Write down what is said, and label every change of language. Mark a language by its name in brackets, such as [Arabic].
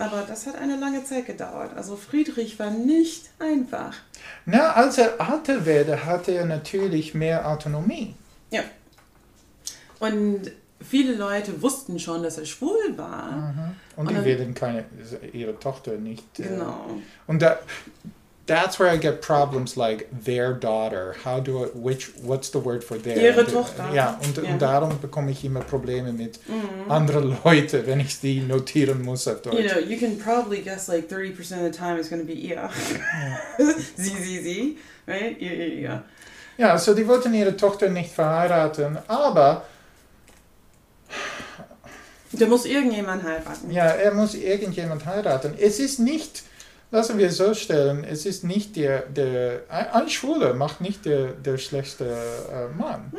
[German] Aber das hat eine lange Zeit gedauert. Also Friedrich war nicht einfach. Na, als er älter wurde, hatte er natürlich mehr Autonomie. Ja. Und viele Leute wussten schon, dass er schwul war. Mhm. Und die werden ihre Tochter nicht... Genau. Und [English] that's where I get problems like their daughter. How do I, which, what's the word for their? [German] Ihre Tochter. Ja, und darum bekomme ich immer Probleme mit anderen Leuten, wenn ich die notieren muss auf Deutsch. [English] You know, you can probably guess like 30% of the time it's going to be ihr. [German] Sie, [English] right? [German] Ja, so die wollten ihre Tochter nicht verheiraten, aber... Der muss irgendjemand heiraten. Ja, er muss irgendjemand heiraten. Es ist nicht, lassen wir so stellen, es ist nicht der ein Schwuler macht nicht der schlechte Mann.